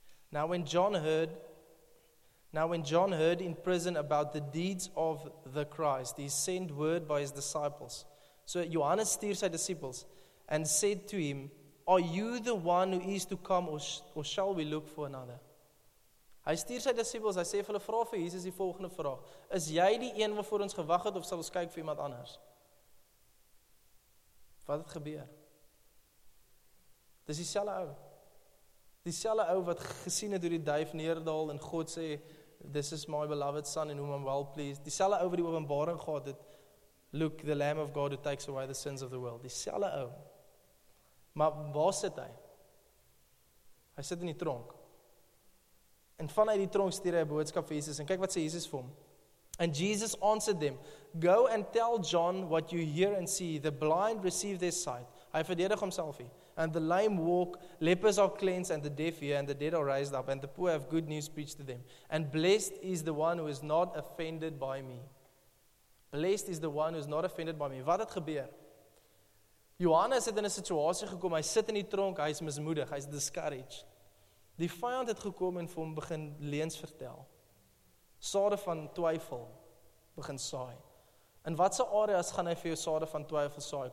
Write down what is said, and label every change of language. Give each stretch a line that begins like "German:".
English: Now when John heard in prison about the deeds of the Christ, he sent word by his disciples. So
Afrikaans: Johannes stuur sy
English: disciples and said to him, are you the one who is to come or shall we look for another?
Afrikaans: Hy stuur sy disciples, hy sê vir hulle, vra vir Jesus die volgende vraag. Is jy die een wat voor ons gewag het of sal ons kyk vir iemand anders? Wat het gebeur? Dis dieselfde ou. Dieselfde ou wat gesien het hoe die duif neerdaal en God sê,
English: "This is my beloved son in whom I'm well pleased."
Afrikaans: Dieselfde ou wat die openbaring gehad het,
English: "Look, the Lamb of God who takes away the sins of the world."
Afrikaans: Dieselfde ou. Maar waar sit hy? Hy sit in die tronk. En vanuit die tronk stuur hy 'n boodskap vir Jesus. En kyk wat sê Jesus vir hom.
English: And Jesus answered them, "Go and tell John what you hear and see. The blind receive their sight."
Afrikaans: Hy verdedig homself hier.
English: "And the lame walk, lepers are cleansed, and the deaf hear, and the dead are raised up, and the poor have good news preached to them. And blessed is the one who is not offended by me." Blessed is the one who is not offended by me.
Afrikaans: Wat het gebeur? Johannes het in 'n situasie gekom, hy sit in die tronk, hy is mismoedig, hy is discouraged. Die vyand het gekom en vir hom begin leuns vertel. Sade van twyfel begin saai. In watse areas gaan hy vir jou sade van twyfel saai?